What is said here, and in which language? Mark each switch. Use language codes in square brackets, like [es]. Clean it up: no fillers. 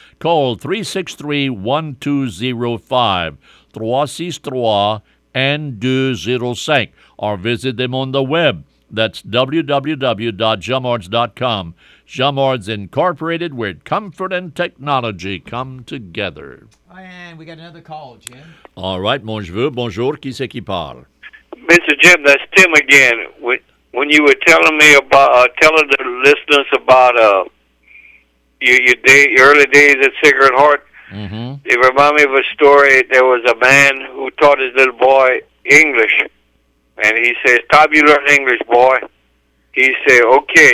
[en] Call 363-1205, 363-1205, or visit them on the web. That's www.jamards.com. Jamard's Incorporated, where comfort and technology come together. And we got another call, Jim. All right, [fr] bonjour, bonjour, qui c'est qui parle? [en] Mr. Jim, that's Tim again. When you were telling me about, telling the listeners about your early days at Sacred Heart, mm-hmm. It reminded me of a story. There was a man who taught his little boy English, and he said, "Time you learn English, boy." He said, "Okay."